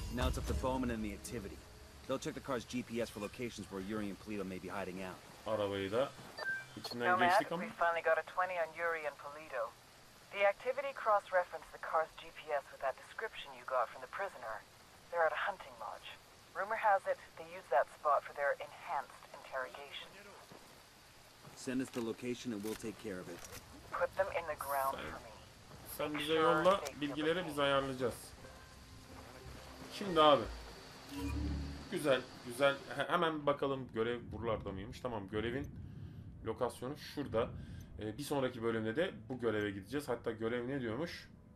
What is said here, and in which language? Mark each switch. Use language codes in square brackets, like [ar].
[en] Now it's up to Bowman and the activity. They'll check the car's GPS for locations where Yuri and Polito may be hiding out. [tr] Arabayı da içinden geçtik ama. [en] We finally got a 20 on Yuri and Polito. The activity cross-referenced the car's GPS with that description you got from the prisoner. They're at a hunting lodge. Rumor has it they use that spot for their enhanced interrogation. Send us the location and we'll take care of it. Put them in the ground for me. [tr] Sen bize yolla, bilgileri biz ayarlayacağız. Şimdi abi, güzel, güzel. Hemen bakalım görev buralarda mıymış? Tamam, görevin lokasyonu şurada. Bir sonraki bölümde de bu göreve gideceğiz. Hatta görev ne diyormuş?